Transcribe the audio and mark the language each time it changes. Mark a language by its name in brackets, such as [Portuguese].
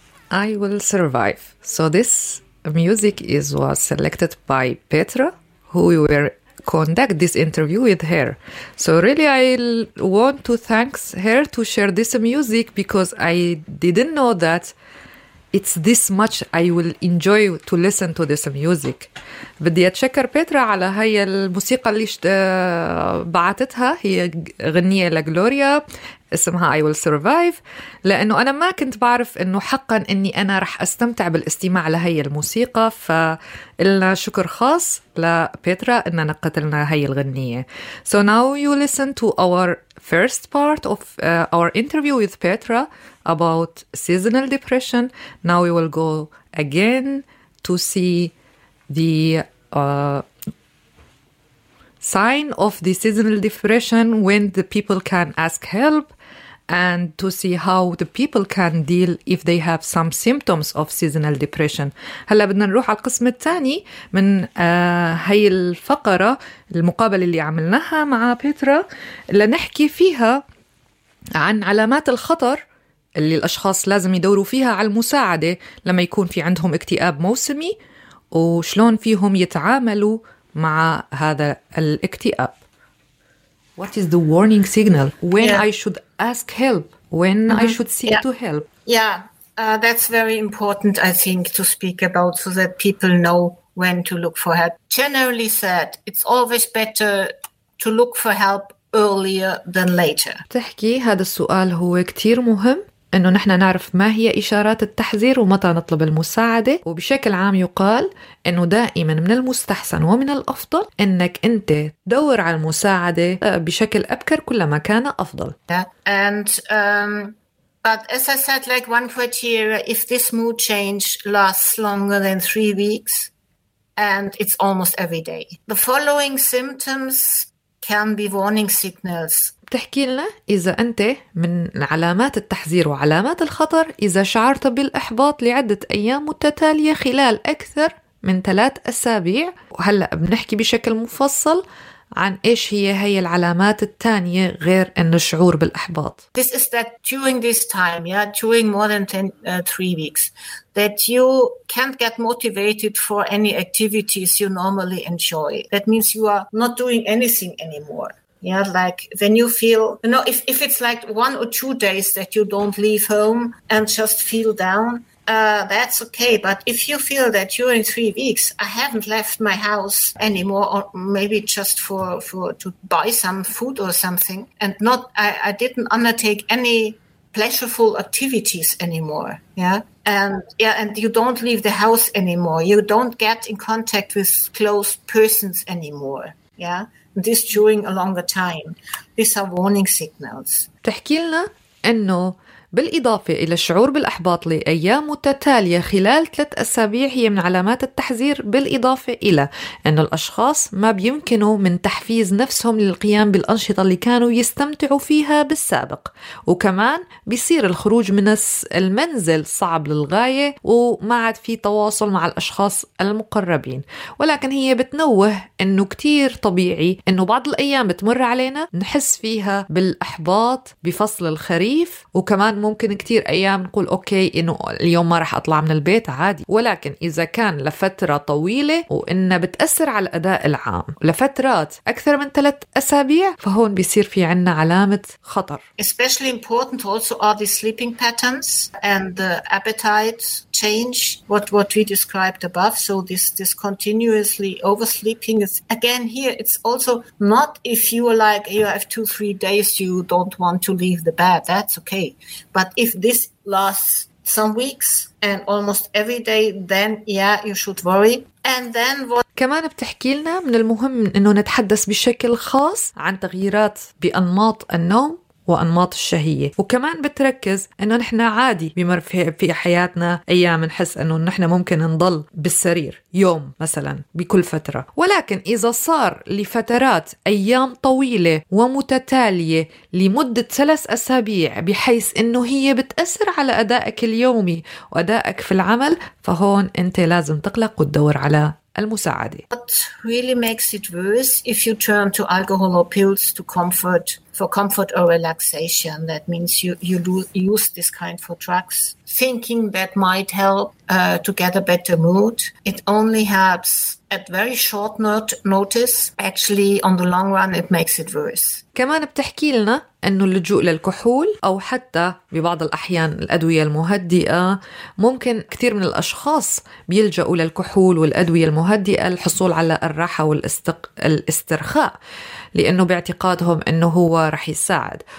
[English] I Will Survive. So this music was selected by Petra, who we were conduct this interview with her. So really, I want to thank her to share this music, because I didn't know that it's this much I will enjoy to listen to this music. [Arabic] بدي أتشكر بيترا على هاي الموسيقى اللي بعتتها. هي غنية لغلوريا اسمها I Will Survive. لأنه أنا ما كنت بعرف أنه حقا أني أنا رح أستمتع بالاستماع لهاي الموسيقى. فإلنا شكر خاص لبيترا أننا نقتلنا هاي الغنية. [English] So now you listen to our first part of our interview with Petra about seasonal depression. Now we will go again to see the sign of the seasonal depression, when the people can ask help, and to see how the people can deal if they have some symptoms of seasonal depression. [Arabic] هلا بدنا نروح على القسم الثاني من هاي الفقرة المقابلة اللي عملناها مع بيترا لنحكي فيها عن علامات الخطر اللي الأشخاص لازم يدوروا فيها على المساعدة لما يكون في عندهم اكتئاب موسمي وشلون فيهم يتعاملوا مع هذا الاكتئاب. [English] What is the warning signal? When I should ask help? When I should seek to help? Yeah, that's very important, I think, to speak about so that people know when to look for help. Generally said, it's always better to look for help earlier than later. [Arabic] تحكي هذا السؤال هو كتير مهم إنه نحن نعرف ما هي إشارات التحذير ومتى نطلب المساعدة. وبشكل عام يقال إنه دائما من المستحسن ومن الأفضل إنك أنت تدور على المساعدة بشكل أبكر كلما كان أفضل. [English] And but as I said, like one criteria, if this mood change lasts longer than 3 weeks and it's almost every day, the following symptoms can be warning signals. [Arabic] تحكي لنا إذا أنت من علامات التحذير وعلامات الخطر إذا شعرت بالإحباط لعدة أيام متتالية خلال أكثر من 3 أسابيع. وهلأ بنحكي بشكل مفصل عن إيش هي هاي العلامات الثانية غير أن الشعور بالإحباط. [English] This is that during this time, yeah, during more than 3 weeks, that you can't get motivated for any activities you normally enjoy. That means you are not doing anything anymore. Yeah, like when you feel, you know, if it's like 1 or 2 days that you don't leave home and just feel down, that's okay. But if you feel that during 3 weeks I haven't left my house anymore, or maybe just for to buy some food or something, and not I didn't undertake any pleasurable activities anymore, and you don't leave the house anymore, you don't get in contact with close persons anymore, yeah. This during a longer time. These are warning signals. [Arabic] تحكي لنا أنه بالإضافة إلى الشعور بالأحباط لأيام متتالية خلال 3 أسابيع هي من علامات التحذير، بالإضافة إلى أن الأشخاص ما بيمكنوا من تحفيز نفسهم للقيام بالأنشطة اللي كانوا يستمتعوا فيها بالسابق، وكمان بيصير الخروج من المنزل صعب للغاية وما عاد في تواصل مع الأشخاص المقربين. ولكن هي بتنوه أنه كتير طبيعي أنه بعض الأيام بتمر علينا نحس فيها بالأحباط بفصل الخريف، وكمان ممكن كتير أيام نقول أوكي إنه اليوم ما رح أطلع من البيت عادي. ولكن إذا كان لفترة طويلة وإنه بتأثر على الأداء العام لفترات أكثر من 3 أسابيع، فهون بيصير في عنا علامة خطر. [English] Especially important also are the sleeping patterns and the appetite change, what we described above. So this continuously oversleeping is, again here it's also not if you are like you have 2-3 days you don't want to leave the bed, that's okay. But if this lasts some weeks and almost every day, then yeah, you should worry. And then what? [Arabic] كمان بتحكي لنا من المهم إنه نتحدث بشكل خاص عن تغييرات بأنماط النوم وأنماط الشهية. وكمان بتركز أنه نحن عادي بمر في حياتنا أيام نحس أنه نحن ممكن نضل بالسرير يوم مثلا بكل فترة، ولكن إذا صار لفترات أيام طويلة ومتتالية لمدة 3 أسابيع بحيث أنه هي بتأثر على أدائك اليومي وأدائك في العمل، فهون أنت لازم تقلق وتدور على المساعدة. [English] What really makes it worse if you turn to alcohol or pills to comfort for comfort or relaxation. That means you use this kind for drugs, thinking that might help to get a better mood. It only helps at very short notice. Actually, on the long run, it makes it worse. [Arabic] كمان بتحكي لنا أنه اللجوء للكحول أو حتى ببعض الأحيان الأدوية المهدئة ممكن كثير من الأشخاص بيلجأوا للكحول والأدوية المهدئة للحصول على الراحة والاسترخاء لأنه باعتقادهم أنه هو رح يساعد.